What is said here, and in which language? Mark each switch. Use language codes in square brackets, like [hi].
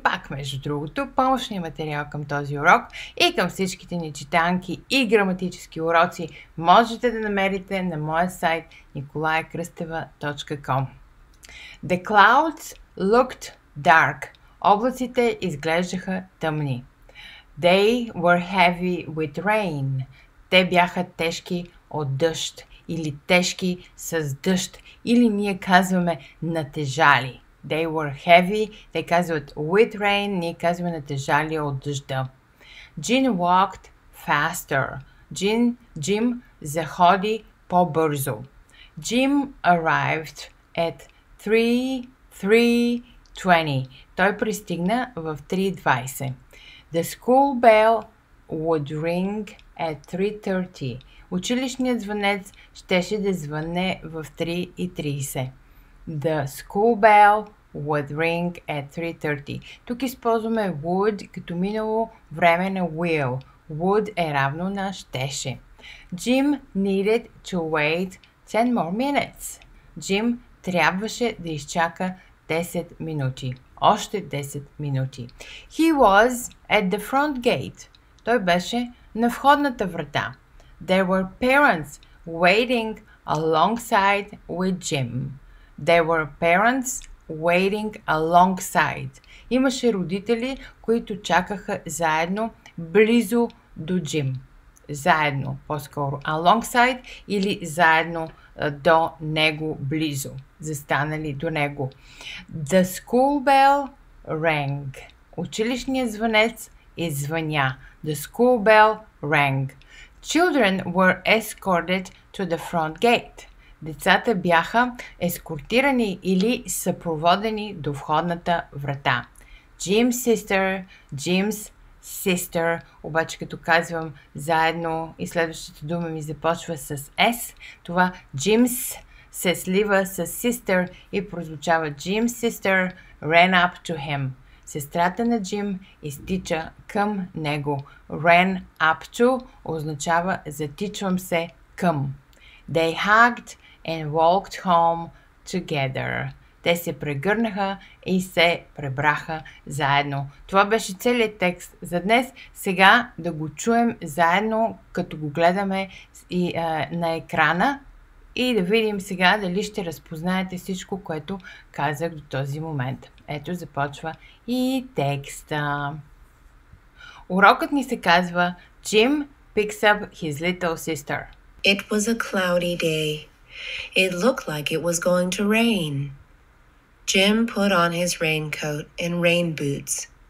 [bg] Между другото, помощният материал към този урок и към всичките ни читанки и граматически уроци можете да намерите на моя сайт nikolayakrsteva.com. [en] The clouds looked dark. [bg] Облаците изглеждаха тъмни. [en] They were heavy with rain. [bg] Те бяха тежки от дъжд. Или тежки с дъжд. Или ние казваме натежали. [en] They were heavy. [bg] Те казват [en] with rain. [bg] Ние казваме натежали от дъжда. [en] Jim walked faster. [bg] Jim заходи по-бързо. [en] Jim arrived at 3:20. [bg] Той пристигна в 3:20. [en] The school bell would ring at 3:30. [bg] Училищният звънец щеше да звъне в 3:30. [en] The school bell would ring at 3:30. [bg] Тук използваме would като минало време на will. Would е равно на щеше. [en] Jim needed to wait 10 more minutes. [bg] Jim трябваше да изчака 10 минути. Още 10 минути. [en] He was at the front gate. [bg] Той беше на входната врата. [en] There were parents waiting alongside with Jim. There were parents waiting alongside. [bg] Имаше родители, които чакаха заедно, близо до Джим. Заедно, по-скоро. Alongside или заедно до него, близо. Застанали до него. [en] The school bell rang. [bg] Училищният звънец извъня. [en] The school bell rang. Children were escorted to the front gate. [bg] Децата бяха ескортирани или съпроводени до входната врата. Jim's sister, Jim's sister, обаче като казвам заедно и следващата дума ми започва с S, това Jim's се слива с sister и прозвучава Jim's sister [en] ran up to him. [bg] Сестрата на Джим изтича към него. Ran up to означава затичвам се към. [en] They hugged and walked home together. [bg] Те се прегърнаха и се пребраха заедно. Това беше целият текст за днес. Сега да го чуем заедно, като го гледаме и, на екрана. И да видим сега дали ще разпознаете всичко, което казах до този момент. Ето започва и текста. Урокът ни се казва [en] Jim picks up his little sister. It was a cloudy day. It looked like it was going to rain. Jim put on his raincoat and rain boots.